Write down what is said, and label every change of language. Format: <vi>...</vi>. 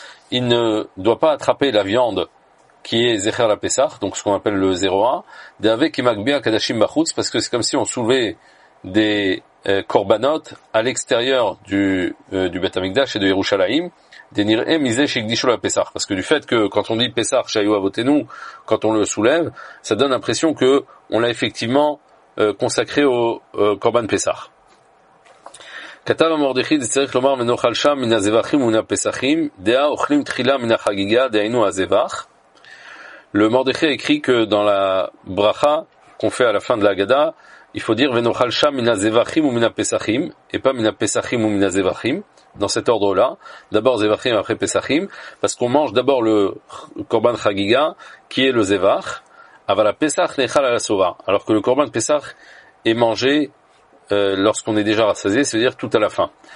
<fr>Il ne doit pas attraper la viande qui est Zecher la Pessah, donc ce qu'on appelle le 0A, d'avec</fr> <he>Imagbia Kadashim Bachutz,</he> <fr>parce que c'est comme si on soulevait des korbanot à l'extérieur du Beth Amikdash et de Yerushalayim,</fr> <he>des Nir'e Mise Shigdisho la Pessah,</he> <fr>parce que du fait que quand on dit</fr> <he>Pessah Shayu Avotenu,</he> <fr>quand on le soulève, ça donne l'impression que on l'a effectivement consacré au korban Pessah.</fr> <he>כתב המרדכי צריך לומר מנוחל שם מן הזבחים ומן הפסחים דעה אוכלים תחילה מן החגיגה דהיינו הזבח.</he> <fr>Le Mordechai écrit que dans la bracha qu'on fait à la fin de la Gada, il faut dire</fr> <he>venochal sham min hazevachim u min hapesachim</he> <fr>et pas</fr> <he>min hapesachim u min hazevachim,</he> <fr>dans cet ordre-là, d'abord zevachim après pesachim, parce qu'on mange d'abord le korban chagiga qui est le zevach,</fr> <he>avala pesach nechal ala sova,</he> <fr>alors que le korban pesach est mangé lorsqu'on est déjà rassasié, c'est-à-dire tout à la fin.</fr>